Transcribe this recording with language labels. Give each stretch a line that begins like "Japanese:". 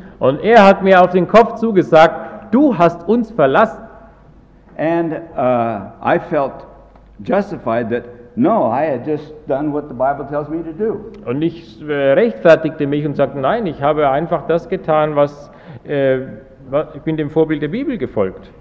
German: Und hat mir auf den Kopf zugesagt, du hast uns verlassen.
English: And I felt justified that no, I had just done what the Bible tells me to do.
German: Und ich rechtfertigte mich und sagte, nein, ich habe einfach das getan, was ich bin dem Vorbild der Bibel gefolgt.